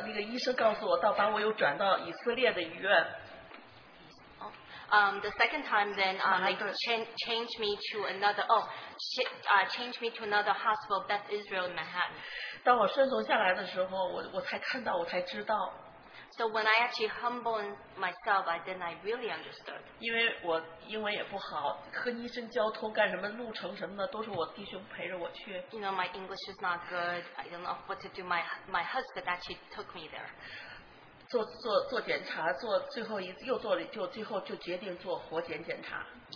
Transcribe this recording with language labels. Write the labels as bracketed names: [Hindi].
[Chinese] 但是后来第二次的时候，神把那个医生告诉我，到把我又转到以色列的医院。 [English] The second time, then changed me to another hospital, Beth Israel in Manhattan. [Chinese] 当我顺从下来的时候，我才看到，我才知道。 [English] So when I actually humbled myself, I really understood. [Chinese] 因为我英文也不好，和医生交通干什么路程什么的，都是我弟兄陪着我去。 [English] You know, my English is not good. I don't know what to do. My husband actually took me there. [Chinese] 做检查，做最后一次，又做了，就最后就决定做活检检查。